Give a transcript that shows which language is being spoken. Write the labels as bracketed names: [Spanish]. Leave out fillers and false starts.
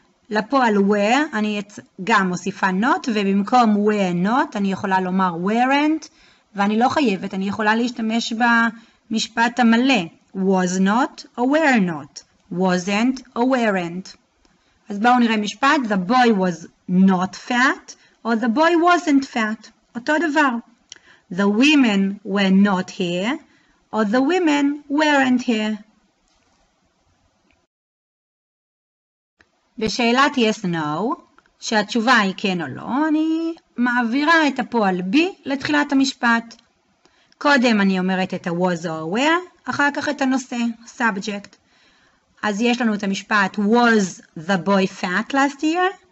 [Hebrew] לפועל were אני גם מוסיפה not, ובמקום were not אני יכולה לומר weren't, ואני לא חייבת, אני יכולה להשתמש במשפט המלא [English] was not or were not, wasn't or weren't. [Hebrew] אז בואו נראה משפט, [English] the boy was not fat, או the boy wasn't fat, [Hebrew] אותו דבר. [English] The women were not here, או the women weren't here. [Hebrew] בשאלת yes no, שהתשובה היא כן או לא, אני מעבירה את הפועל בי לתחילת המשפט. קודם אני אומרת את ה-was or where, אחר כך את הנושא, subject. אז יש לנו את המשפט [English] was the boy fat last year?